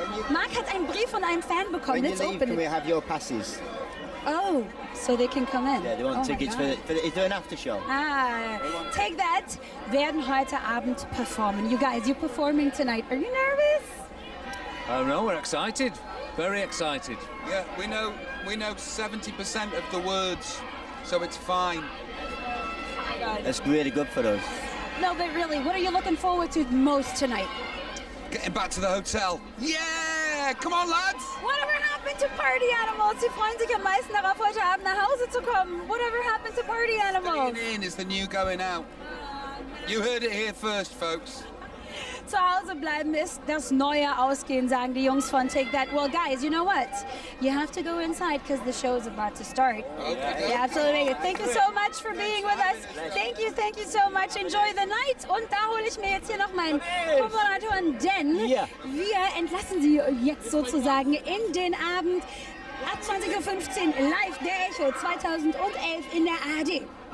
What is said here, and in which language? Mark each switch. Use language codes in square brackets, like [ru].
[de] Mark hat einen Brief von einem Fan bekommen. [en] Let's open it. Can we have your passes? Oh, so they can come in. Yeah, they want tickets for an after show. [de] Ah, Take That werden heute Abend performen. [en] You guys, you're performing tonight. Are you nervous? Oh, no, we're excited. Very excited. Yeah, we know 70% of the words, so it's fine. That's really good for us. No, but really, what are you looking forward to most tonight? Getting back to the hotel. Yeah! Come on, lads! Whatever happened to party animals? [de] Sie freuen sich am meisten darauf, heute Abend nach Hause zu kommen. [en] Whatever happened to party animals? Staying in is the new going out. You heard it here first, folks. [de] Zu Hause bleiben ist das neue Ausgehen, sagen die Jungs von Take That. [en] Well, guys, you know what? You have to go inside because the show is about to start. Okay. Yeah, absolutely. Thank you so much for being with us. Thank you so much. Enjoy the night. [de] Und da hole ich mir jetzt hier noch meinen Kommoderator, denn wir entlassen Sie jetzt sozusagen in den Abend ab 20:15 Uhr live der Echo 2011 in der ARD.